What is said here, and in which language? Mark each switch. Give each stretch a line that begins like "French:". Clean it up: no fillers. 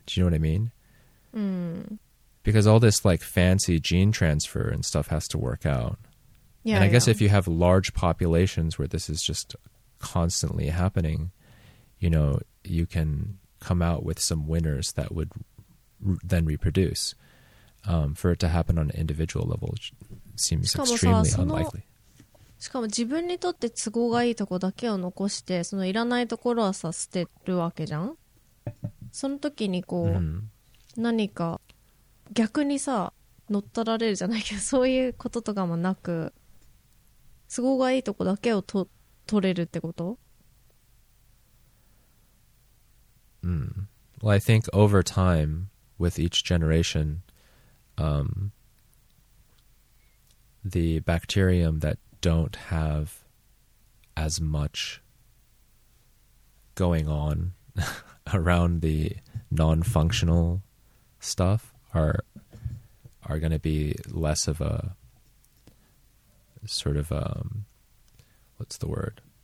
English: Do you know what I mean? Because all this like fancy gene transfer and stuff has to work out. Yeah, and I guess if you have large populations where this is just constantly happening, you know, you can... come out with some winners that would then reproduce. For it to happen on an individual level seems extremely unlikely.
Japanese: しかも自分にとって都合がいいとこだけを残して、そのいらないところはさ捨てるわけじゃん。その時にこう、何か逆にさ乗っ取られるじゃないけど、そういうこととかもなく、都合がいいとこだけを取れるってこと?
English: Well, I think over time, with each generation, the bacterium that don't have as much going on around the non-functional stuff are going to be less of a sort of, what's the word?